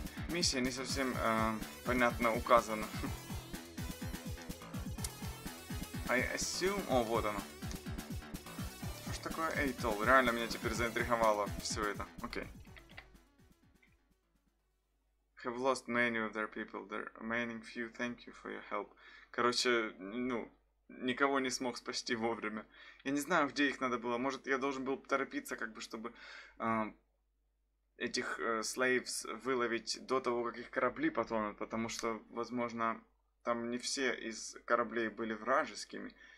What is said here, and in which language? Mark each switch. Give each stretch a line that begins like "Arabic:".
Russian: Миссия не совсем понятно указана.
English: I assume...
Russian: О, вот оно. Что ж такое Atoll? Реально меня теперь заинтриговало все это. Окей. Okay.
English: Have lost many of their people. The remaining few, thank you for your help.
Russian: Короче, ну, никого не смог спасти вовремя. Я не знаю, где их надо было. Может, я должен был торопиться, как бы, чтобы этих slaves выловить до того, как их корабли потонут. Потому что, возможно... Там не все из кораблей были вражескими.